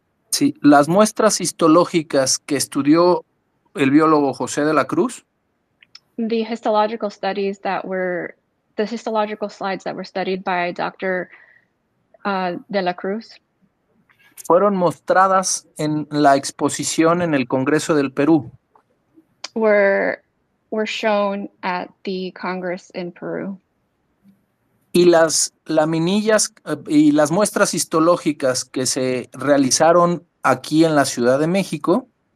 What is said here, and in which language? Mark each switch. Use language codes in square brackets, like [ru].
[es] Sí, las muestras histológicas que estudió el biólogo José de la Cruz. [en] The histological studies the histological slides that were studied by Dr. De la Cruz [es] fueron mostradas en la exposición en el Congreso del Perú. [en] were shown at the Congress in Peru. [es] Y las laminillas y las muestras histológicas que se realizaron aquí en la Ciudad de México.